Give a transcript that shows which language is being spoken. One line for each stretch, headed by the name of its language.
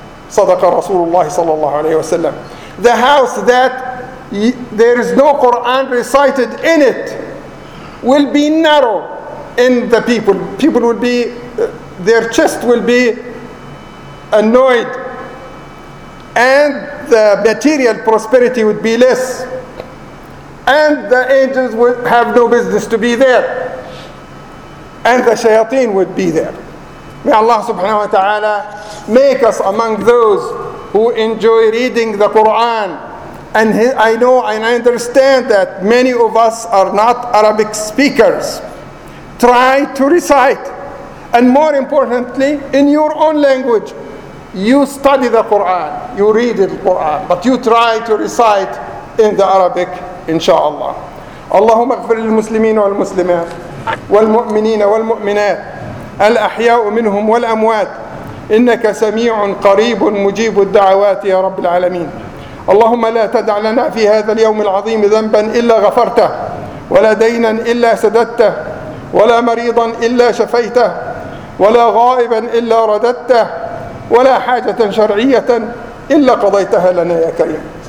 Arabic: صدق رسول الله صلى الله عليه وسلم.
English: The house that there is no Quran recited in it will be narrow in the people. People will be, their chest will be annoyed, and the material prosperity would be less, and the angels would have no business to be there, and the shayateen would be there. May Allah subhanahu wa ta'ala make us among those who enjoy reading the Quran. And I know and I understand that many of us are not Arabic speakers. Try to recite, and more importantly, in your own language. You study the Quran, you read the Quran, but you try to recite in the Arabic, inshallah.
Arabic: اللهم اغفر للمسلمين والمسلمات والمؤمنين والمؤمنات الأحياء منهم والأموات إنك سميع قريب مجيب الدعوات يا رب العالمين. اللهم لا تدع لنا في هذا اليوم العظيم ذنبا إلا غفرته ولا دينا إلا سددته ولا مريضا إلا شفيته ولا غائبا إلا رددته ولا حاجة شرعية إلا قضيتها لنا يا كريم.